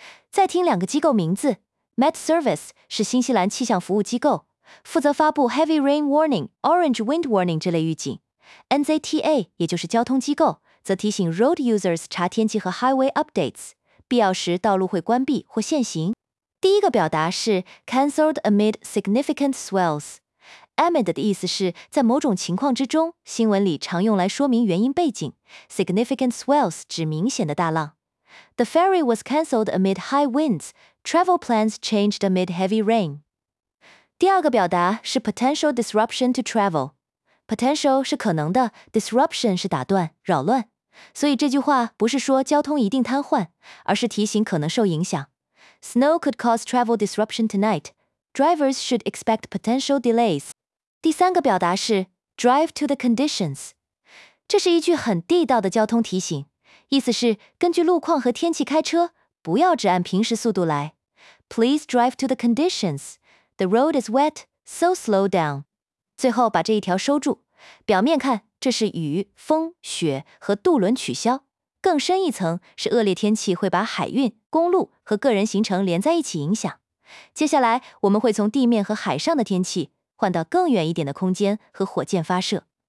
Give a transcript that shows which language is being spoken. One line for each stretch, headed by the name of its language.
Chinese: 再听两个机构名字 ，Met Service 是新西兰气象服务机构，负责发布 Heavy Rain Warning、Orange Wind Warning 这类预警 ；NZTA 也就是交通机构，则提醒 Road Users 查天气和 Highway Updates， 必要时道路会关闭或限行。第一个表达是
English: cancelled amid significant swells，
Chinese: amid 的意思是在某种情况之中，新闻里常用来说明原因背景，
English: significant swells
Chinese: 指明显的大浪。
English: The ferry was cancelled amid high winds, travel plans changed amid heavy rain。
Chinese: 第二个表达是
English: potential disruption to travel，
Chinese: potential 是可能的， disruption 是打断、扰乱，所以这句话不是说交通一定瘫痪，而是提醒可能受影响。
English: Snow could cause travel disruption tonight. Drivers should expect potential delays.
Chinese: 第三个表达是
English: drive to the conditions.
Chinese: 这是一句很地道的交通提醒，意思是根据路况和天气开车，不要只按平时速度来。
English: Please drive to the conditions. The road is wet, so slow down.
Chinese: 最后把这一条收住。表面看，这是雨、风、雪和渡轮取消。更深一层是恶劣天气会把海运、公路和个人行程连在一起影响。接下来我们会从地面和海上的天气换到更远一点的空间和火箭发射。